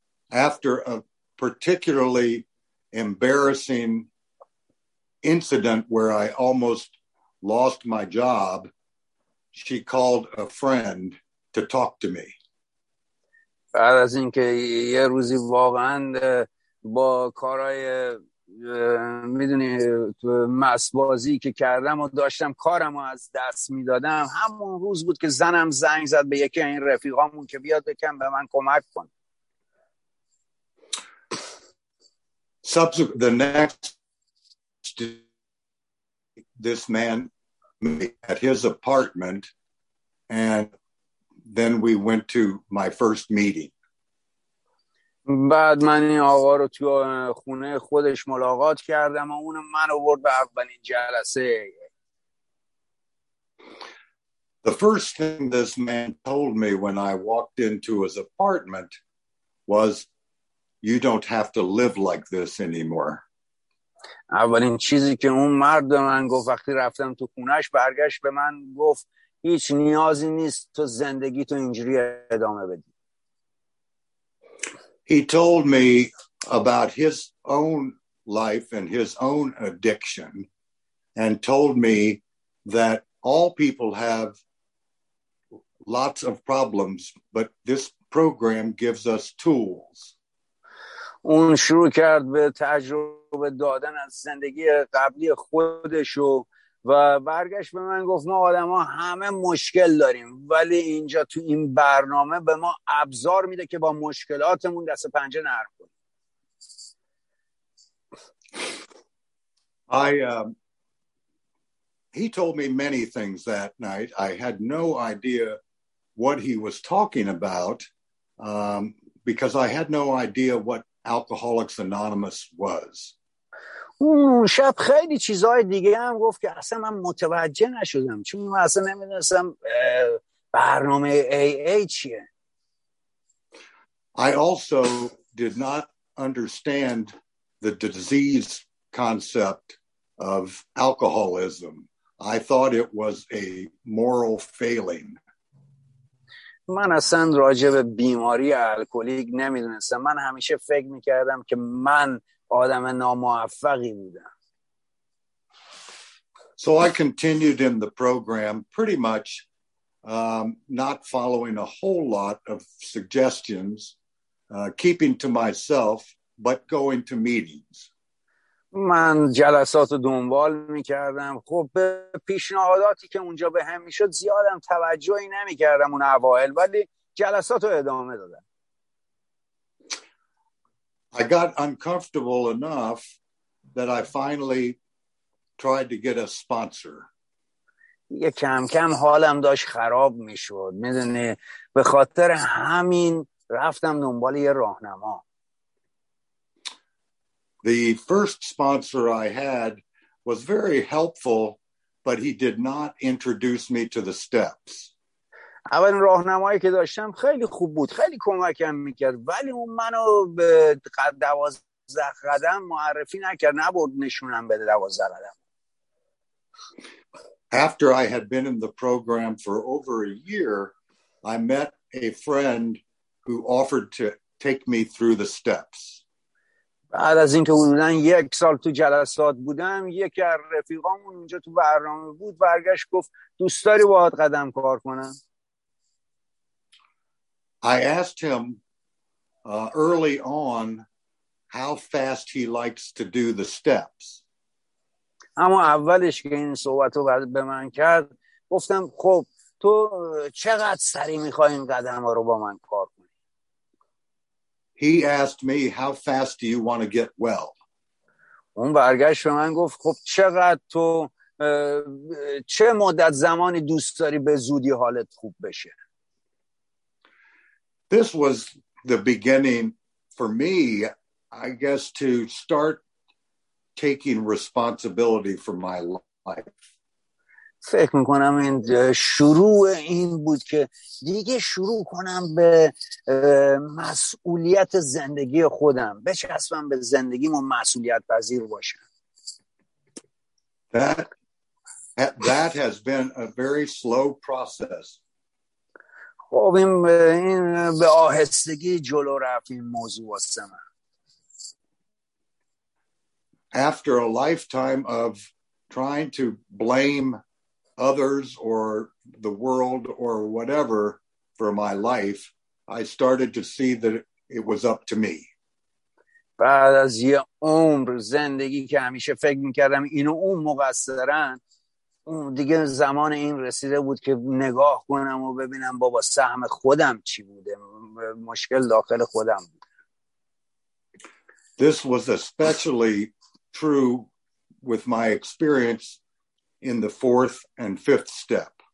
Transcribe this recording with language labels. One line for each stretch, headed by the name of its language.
English: After a particularly embarrassing incident where I almost lost my job, she called a friend to talk to me.
Persian: بعد از اینکه یه روزی واقعا با کارهای میدونی مسبازی که کردم و داشتم کارم رو از دست میدادم، همون روز بود که زنم زنگ زد به یکی این رفیقامون که بیاد بکن به من کمک کن.
English: The next this man at his apartment and then we went to my first meeting.
Persian: بعد من این آقا رو تو خونه خودش ملاقات کردم و اون من آورد به اولین جلسه.
English: The first thing this man told me when I walked into his apartment was, you don't have to live like this anymore.
Persian: اولین چیزی که اون مرد به من گفت وقتی رفتم تو خونش، برگشت به من گفت هیچ نیازی نیست تو زندگی تو اینجوری ادامه بدی.
English: He told me about his own life and his own addiction and told me that all people have lots of problems, but this program gives us tools.
Persian: اون شروع کرد به تجربه دادن از زندگی قبلی خودش و برگشت به من گفت ما آدم ها همه مشکل داریم، ولی اینجا تو این برنامه به ما ابزار میده که با مشکلاتمون دست پنجه نرم کنیم.
English: He told me many things that night. I had no idea what he was talking about because I had no idea what Alcoholics Anonymous was.
Persian: اون شب خیلی چیزهای دیگه هم گفت که اصلا من متوجه نشدم، چون اصلا نمیدونستم برنامه AA چیه.
English: I also did not understand the disease concept of alcoholism. I thought it was a moral failing.
Persian: من اصلا راجع به بیماری الکلیک نمیدونستم. من همیشه فکر میکردم که من آدم ناموفقی بودم.
English: So I continued in the program pretty much not following a whole lot of suggestions, keeping to myself, but going to meetings.
Persian: من جلسات رو دنبال میکردم. خب به پیشنهاداتی که اونجا به هم میشد زیادم توجهی نمیکردم اون اوائل، ولی جلسات رو ادامه دادم.
English: I got uncomfortable enough that I finally tried to get a sponsor.
Persian: یه کم کم حالم داشت خراب میشد. میدونی به خاطر همین رفتم دنبال یه راهنما.
English: The first sponsor I had was very helpful, but he did not introduce me to the steps.
Persian: اول راهنمایی که داشتم خیلی خوب بود، خیلی کمکم میکرد، ولی اون منو به 12 قدم معرفی نکرد، نبود نشونم به 12 قدم.
English: After I had been in the program for over a year, I met a friend who offered to take me through the steps.
Persian: بعد از اینکه حدوداً یک سال تو جلسات بودم، یکی از رفیقامون اونجا تو برنامه بود، برگشت گفت دوست داری باهات قدم کار کنم.
English: I asked him early on how fast he likes to do the steps.
Persian: اما اولش که این صحبت رو به من کرد، گفتم خب تو چقدر سریع میخوای این قدم ها رو با من کار کنی؟
English: He asked me, how fast do you want to get well?
Persian: اون برگشت به من گفت خب چقدر تو چه مدت زمانی دوست داری به زودی حالت خوب بشه؟
English: This was the beginning for me, I guess, to start taking responsibility for my life.
Persian: فکر میکنم این شروع این بود که دیگه شروع کنم به مسئولیت زندگی خودم، بچسبم به زندگیم و مسئولیت پذیر باشم.
English: That has been a very slow process.
Persian: خب این به آهستگی جلو رفت این موضوع واسه من.
English: After a lifetime of trying to blame others or the world or whatever for my life, I started to see that it was up to me.
Persian: بعد از یه عمر زندگی که همیشه فکر میکردم اینو اون مقصرن، اون دیگه زمان این رسیده بود که نگاه کنم و ببینم بابا سهم خودم چی بوده، مشکل داخل خودم بود.
English: This was especially true with my experience in the fourth and fifth step.